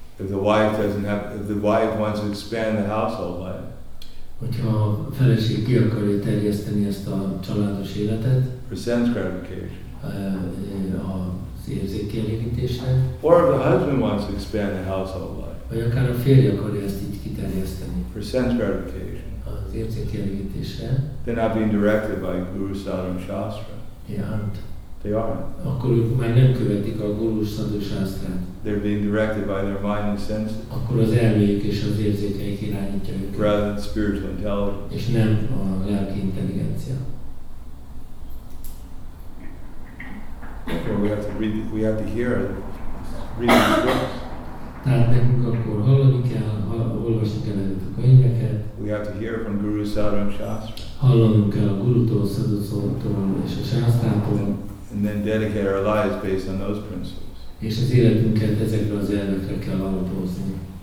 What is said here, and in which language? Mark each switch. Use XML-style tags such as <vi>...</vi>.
<en>If the wife wants to expand the household life,</en> <hu>hogyha a feleség ki akarja terjeszteni ezt a családos életet,</hu> <en>for sense gratification,</en> <hu>az érzékelégítésre,</hu> <en>or if the husband wants to expand the household life,</en> <hu>vagy akár a férje akarja ezt így kiterjeszteni,</hu> <en>for sense gratification,</en> <hu>az érzékelégítésre,</hu> <en>they're not being directed by Guru Sadhu Shastra. They aren't.</en> <hu>Akkor ők már nem követik a guru sadhu shastrát.</hu> <en>They're being directed by their mind and senses.</en> <hu>Akkor az elméjük és az érzékeik irányítja őket.</hu> <en>Rather than spiritual intelligence.</en> <hu>És nem a lelki intelligencia.</hu> <en>Well, we have to hear it. Read the books.</en> <hu>Tehát nekünk akkor hallani kell, olvasni kell ezeket a könyveket.</hu> <en>We have to hear from Guru Sadhu and Shastra.</en> <hu>Hallanunk kell a gurutól, sadhu szótól és a shastrától.</hu> <en>And then dedicate our lives based on those principles.</en> <hu>És az életünket ezekre az elvekre kell alapozni.</hu>